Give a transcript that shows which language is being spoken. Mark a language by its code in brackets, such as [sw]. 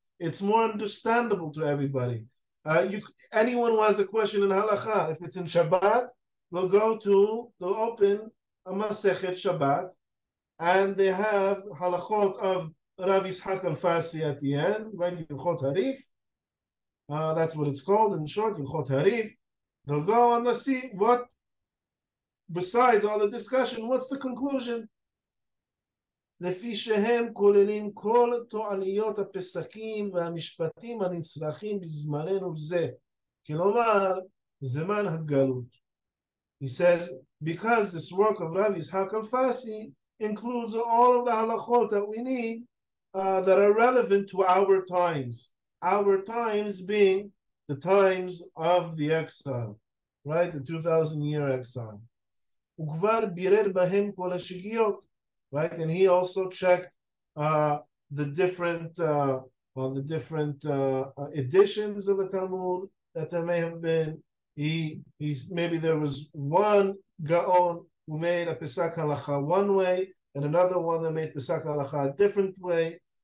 [en] It's more understandable to everybody. Anyone who has a question in halacha, if it's in Shabbat, they'll open a Masechet Shabbat, and they have halachot of Rav Yitzchak Alfasi at the end, right? Yilchot Harif. That's what it's called in short, Yilchot Harif. They'll go and they'll see what, besides all the discussion, what's the conclusion? [he] לפי שהם כוללים כל תועליות הפסקים והמשפטים הנצרכים בזמננו זה. כלומר, זמן הגלות. [en] He says, because this work of Rav Yitzchak Alfasi includes all of the halachot that we need that are relevant to our times. Our times being the times of the exile, right? The 2000-year exile. [he] וכבר בירר בהם כל השגיאות. [en] Right, and he also checked the different editions of the Talmud that there may have been. He's maybe there was one Gaon who made a Pesach Halacha one way, and another one that made Pesach Halacha a different way.